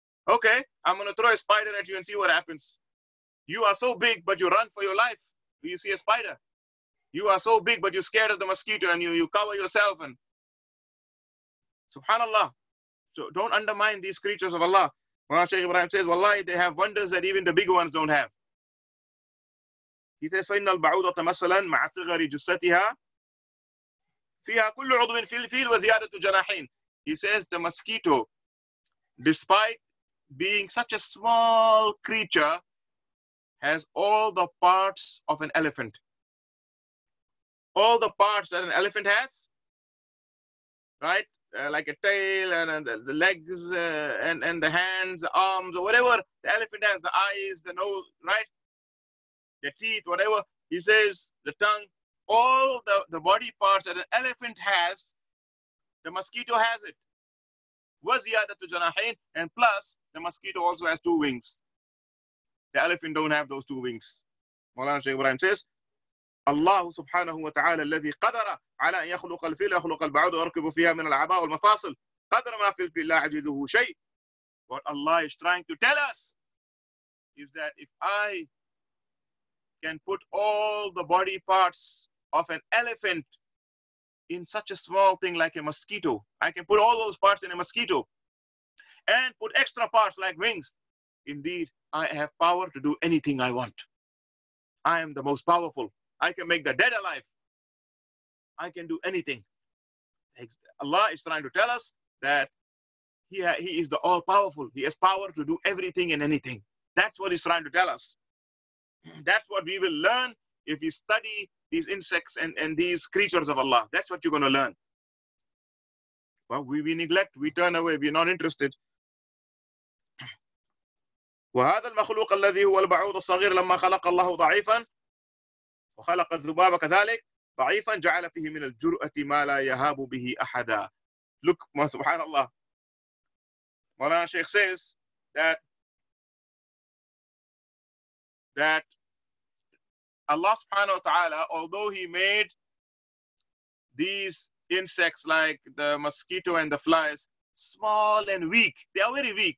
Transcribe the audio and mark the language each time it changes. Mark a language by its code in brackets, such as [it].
[en] Okay, I'm going to throw a spider at you and see what happens. You are so big, but you run for your life. Do you see a spider? You are so big, but you're scared of the mosquito and you cover yourself. And subhanallah. So don't undermine these creatures of Allah. Quran Shaykh Ibrahim says, wallahi, they have wonders that even the big ones don't have. He says, [ar] فَإِنَّ الْبَعُودَةَ مَثَلًا مَعَ صِغَرِ جُسَّتِهَا فِيهَا كُلُّ عُضْوٍ فِي الْفِيلِ وَزِيَادَةُ جَنَاحِينَ. [en] He says, the mosquito, despite being such a small creature, has all the parts of an elephant. All the parts that an elephant has, right? Like a tail and the legs and the hands, the arms, or whatever the elephant has, the eyes, the nose, right? The teeth, whatever. He says, the tongue, all the body parts that an elephant has, the mosquito has it. [ar] وَزِيَادَةُ جَنَاحَيْنِ. [en] And plus, the mosquito also has two wings. The elephant don't have those two wings. Maulana Shaykh Ibrahim says, [ar] الله سبحانه وتعالى الذي قدر على أن يخلق الفيل يخلق البعوض ويركب فيها من العباء والمفاصل قدر ما في الفيل لا عجزه شيء. [en] What Allah is trying to tell us is that if I can put all the body parts of an elephant in such a small thing like a mosquito, I can put all those parts in a mosquito and put extra parts like wings, indeed I have power to do anything I want. I am the most powerful. I can make the dead alive. I can do anything. Allah is trying to tell us that he is the all-powerful. He has power to do everything and anything. That's what he's trying to tell us. That's what we will learn if we study these insects and these creatures of Allah. That's what you're going to learn. But we neglect, we turn away, we're not interested. [ar] وَهَذَا الْمَخْلُوقَ الَّذِي هُوَ الْبَعُوضَ الصَّغِيرَ لَمَّا خَلَقَ اللَّهُ ضَعِيفًا وخلق الذباب كذلك ضعيفا جعل فيه من الجرأة ما لا يهاب به أحدا. [en] Look, subhanAllah. Maulana Shaykh says that Allah subhanahu wa ta'ala, although he made these insects like the mosquito and the flies small and weak, they are very weak.